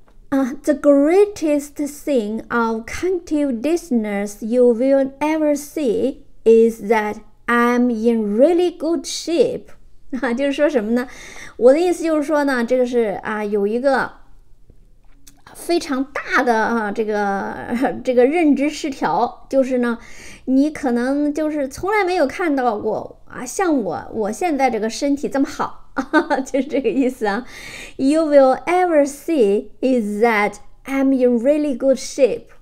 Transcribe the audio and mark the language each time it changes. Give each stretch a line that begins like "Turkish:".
English: The greatest thing of cognitive dissonance you will ever see is that I'm in really good shape.
Chinese: 就是说什么呢？我的意思就是说呢，这个是啊，有一个非常大的啊，这个认知失调，就是呢，你可能就是从来没有看到过啊，像我现在这个身体这么好。就是这个意思啊。
English: You will ever see is that I'm in really good shape.